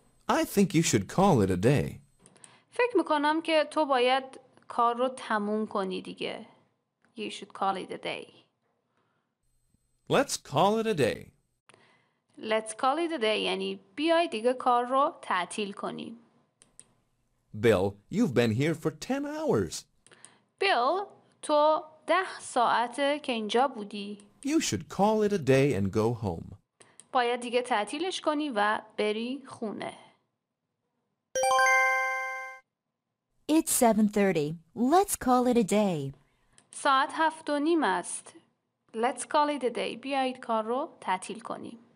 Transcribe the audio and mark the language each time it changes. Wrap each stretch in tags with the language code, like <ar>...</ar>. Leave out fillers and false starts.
<en>I think you should call it a day.</en> <fa>فکر میکنم که تو باید کار رو تموم کنی دیگه.</fa> <en>You should call it a day. Let's call it a day. Let's call it a day</en> <fa>یعنی بیای دیگه کار رو تعطیل کنیم.</fa> <en>Bill, you've been here for 10 hours.</en> <fa>Bill, تو 10 ساعته که اینجا بودی.</fa> <en>You should call it a day and go home.</en> <fa>باید دیگه تعطیلش کنی و بری خونه.</fa> <en>It's 7:30. Let's call it a day.</en> <fa>ساعت 7:30 است.</fa> <en>Let's call it a day.</en> <fa>بیایید کار رو تعطیل کنیم.</fa>